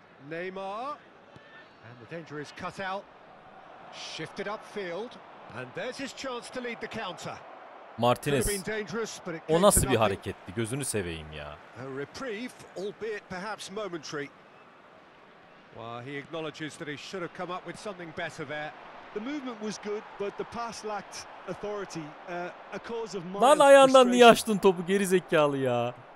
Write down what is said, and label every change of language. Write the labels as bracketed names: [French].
[English] Neymar and the danger is cut out, shifted upfield and there's his chance to lead the counter. [Turkish] Martinez, o nasıl bir hareketti gözünü seveyim ya. [English] A reprieve, albeit perhaps momentary. Well, he acknowledges that he should have come up with something better there. The movement was good but the pass lacked authority. A cause of mine. [Turkish] Lan ayağından niye açtın topu geri zekalı ya?